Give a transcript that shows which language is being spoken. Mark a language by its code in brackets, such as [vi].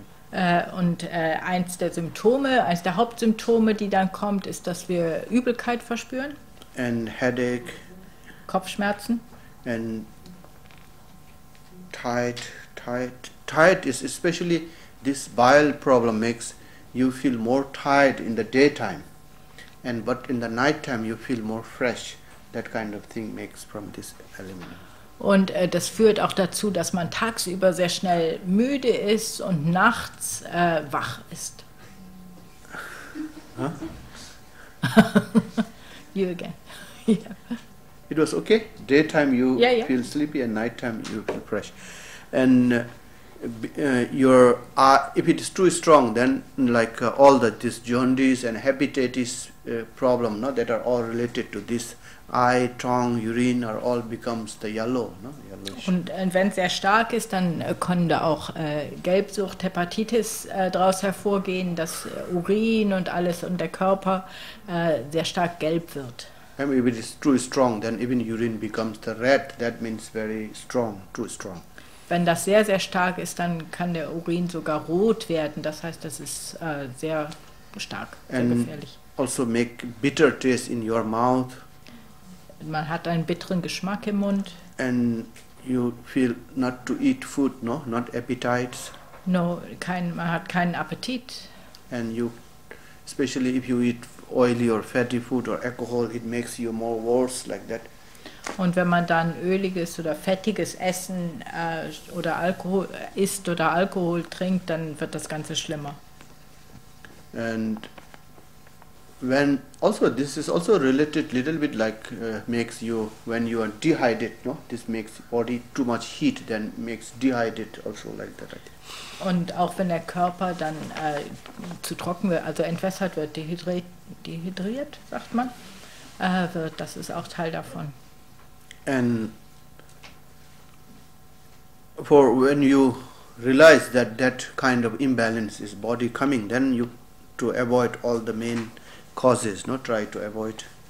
[de] Eins der Symptome, eines der Hauptsymptome, die dann kommt, ist, dass wir Übelkeit verspüren. [en] And headache. [de] Kopfschmerzen. [en] And tight is especially this bile problem makes you feel more tired in the daytime. And but in the night time you feel more fresh. That kind of thing makes from this element. [de] Und das führt auch dazu, dass man tagsüber sehr schnell müde ist und nachts wach ist. Huh? [en] You again. Yeah. It was okay. Daytime you feel sleepy and nighttime you feel fresh. And your if it is too strong, then like all the this jaundice and hepatitis problem, no, that are all related to this eye, tongue, urine are all becomes the yellow, no, yellowish. [de] Und wenn es sehr stark ist, dann können da auch Gelbsucht, Hepatitis daraus hervorgehen, dass Urin und alles und der Körper sehr stark gelb wird. [en] I mean, if it is too strong, then even urine becomes the red. That means very strong, too strong. [de] Wenn das sehr, sehr stark ist, dann kann der Urin sogar rot werden. Das heißt, das ist sehr stark, sehr [en] and [de] gefährlich. [en] Also make bitter taste in your mouth. [de] Man hat einen bitteren Geschmack im Mund. [en] And you feel not to eat food, no? Not appetites. [de] No, man hat keinen Appetit. [en] And you, especially if you eat oily or fatty food or alcohol, it makes you more worse like that. [de] Und wenn man dann öliges oder fettiges Essen oder Alkohol isst oder Alkohol trinkt, dann wird das Ganze schlimmer. [en] And when also this is also related little bit like makes you when you are dehydrated, no? This makes body too much heat, then makes dehydrated also like that. Right? [de] Und auch wenn der Körper dann zu trocken wird, also entwässert wird, dehydriert, sagt man, wird, das ist auch Teil davon. [en] And for when you realize that that kind of imbalance is body coming, then you to avoid all the main causes, not try to avoid.